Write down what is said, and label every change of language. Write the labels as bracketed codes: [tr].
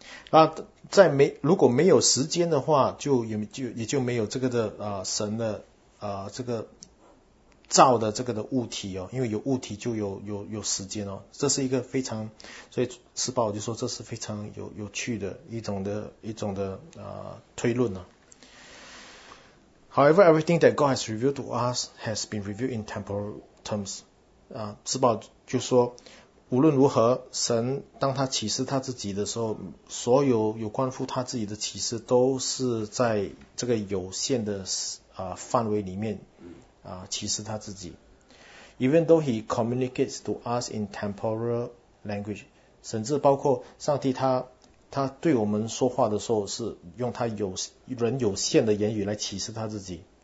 [zh] 那在如果没有时间的话，也就没有这个的神的这个造的这个的物体哦，因为有物体就有时间哦，这是一个非常，所以施宝就说这是非常有趣的一种的推论呢、啊。 [en] However, everything that God has revealed to us has been revealed in temporal terms. [zh] 施宝就说，无论如何，神当他启示他自己的时候，所有有关乎他自己的启示都是在这个有限的范围里面启示他自己。 [en] Even though he communicates to us in temporal language, [zh] 甚至包括上帝他对我们说话的时候是用他有限的言语来启示他自己。